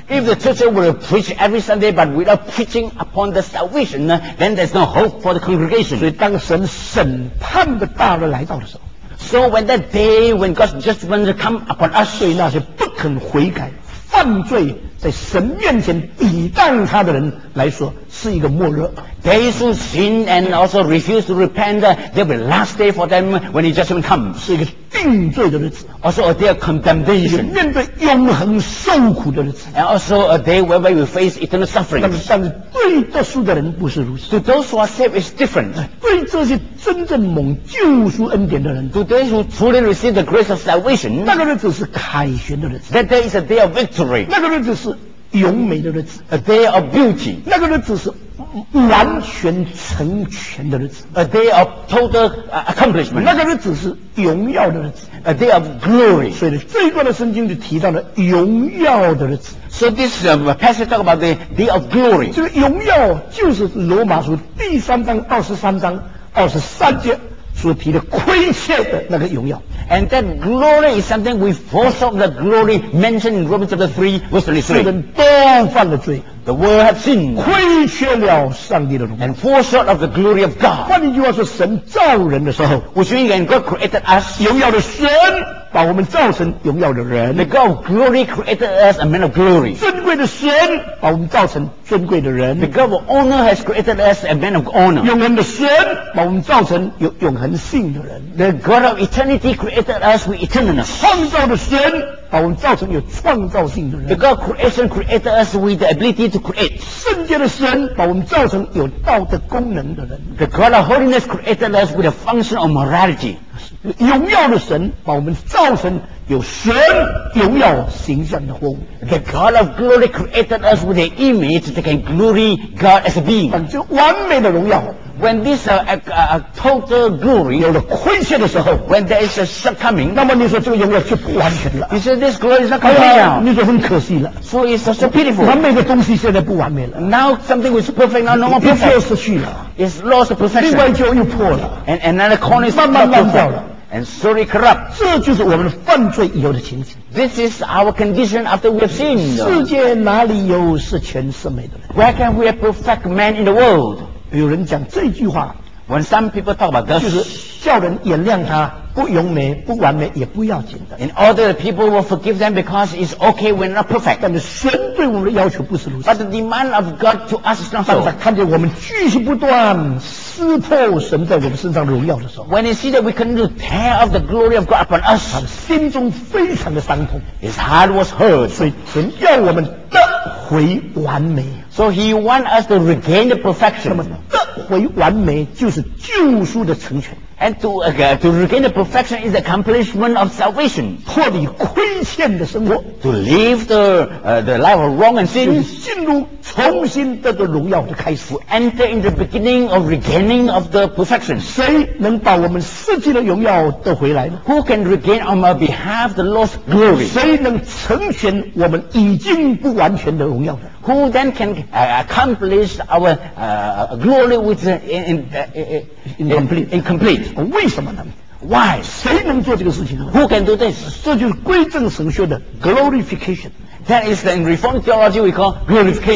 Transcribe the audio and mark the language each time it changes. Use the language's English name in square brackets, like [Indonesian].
[English] If the church were to preach every Sunday, but without preaching upon the salvation, then there's no hope for the congregation. [Chinese] 所以当神审判的大日来到的时候， [English] So when that day when God's judgment come upon us, [Chinese] 所以那些不肯悔改、犯罪在神面前抵挡他的人来说，是一个末日。 [English] Those who sin and also refuse to repent, there will be last day for them when the judgment comes. [Chinese] 是一个定罪的日子。 [English] Also a day of condemnation. [Chinese] 面对永恒受苦的日子。 [English] And also a day whereby we face eternal suffering. [Chinese] 但是对得书的人不是如此。 [English] To those who are saved is different. [Chinese] 对这些真正蒙救赎恩典的人。 [English] To those who truly receive the grace of salvation. [Chinese] 那个日子是凯旋的日子。 [English] That day is a day of victory. [Chinese] 那个日子是永美的日子。 [English] A day of beauty. [Chinese] 那个日子是完全成全的日子。 [English] A day of total accomplishment. [Chinese] 那个日子是荣耀的日子。 [English] A day of glory. [Chinese] 所以呢，这一段的圣经就提到了荣耀的日子。 [English] So this passage talk about the day of glory. [Chinese] 这个荣耀就是罗马书第三章二十三章二十三节所提的亏欠的那个荣耀。 [English] And that glory is something we foresaw the glory mentioned in Romans chapter 3, verse 23. [Chinese] 世人都犯了罪。 [English] The world has sinned. [Chinese] 亏缺了上帝的荣耀。 [English] And fall short of the glory of God. [Chinese] 换句话说，神造人的时候， [English] which means when God created us, [Chinese] 荣耀的神把我们造成荣耀的人。 [English] The God of glory created us a man of glory. [Chinese] 尊贵的神把我们造成尊贵的人。 [English] The God of honor has created us a man of honor. [Chinese] 永恒的神把我们造成有永恒性的人。 [English] The God of eternity created us with eternalness. [Chinese] 创造的神把我们造成有创造性的人。 [English] The God of creation created us with the ability to create. [Chinese] 圣洁的神把我们造成有道德功能的人。 [English] The God of holiness created us with a function of morality. [Chinese] 荣耀的神把我们造成有神荣耀形象的活物。 [English] The God of glory created us with an image that can glory God as a being. [Chinese] 本就完美的荣耀。 [English] When this a total glory [Chinese] 有了亏欠的时候 [English] ，When there is a shortcoming， [Chinese] 那么你说这个荣耀就不完全了。 [English] You say this glory is not complete.、 [Chinese] 哎、你说很可惜了。 [English] So it's so pitiful. [Chinese] 完美的东西现在不完美了。 [English] Now something which is perfect now no more perfect. [Chinese] 又失去了。 [English] It's lost the perfection. [Chinese] 另外一角又破了。 [English] And another corner is [Chinese] 慢慢烂掉了。 [English] And sorry corrupt. [Chinese] 这就是我们犯罪以后的情形。 [English] This is our condition after we have sinned. [Chinese] 世界哪里有是全是美的人 [English] ？Where can we have perfect man in the world？ [Chinese] 有人讲这句话 [English] ，When some people talk about this， [Chinese] 就是叫人原谅他不永美不完美也不要紧的。 [English] In order that people will forgive them because it's okay when not perfect， [Chinese] 但是神对我们的要求不是如此。 [English] But the demand of God to us is not so。 [Chinese] 当看见我们继续不断撕破神在我们身上荣耀的时候 [English] ，When he sees that we continue to tear off the glory of God upon us， [Chinese] 他的心中非常的伤痛。 [English] His heart was hurt， [Chinese] 所以神要我们得回完美。 [English] So he wants us to regain the perfection. [Chinese] 那么得回完美就是救赎的成全。 [English] And to regain the perfection is the accomplishment of salvation. [Chinese] 脱离亏欠的生活。 [English] To live the life of wrong and sin. [Chinese] 就是进入重新得到荣耀的开始。 [English] To enter in the beginning of regaining of the perfection. [Chinese] 谁能把我们失去的荣耀得回来呢？ [English] Who can regain on our behalf the lost glory? [Chinese] 谁能成全我们已经不完全的荣耀呢？ [English] Who then can accomplish our glory with incomplete? [Chinese] 为什么呢？ [English] Why? [Chinese] 谁能做这个事情呢？ [English] Who can do this? [Chinese] 这就是归正神学的 glorification. [English] That is the Reformed theology we call glorification.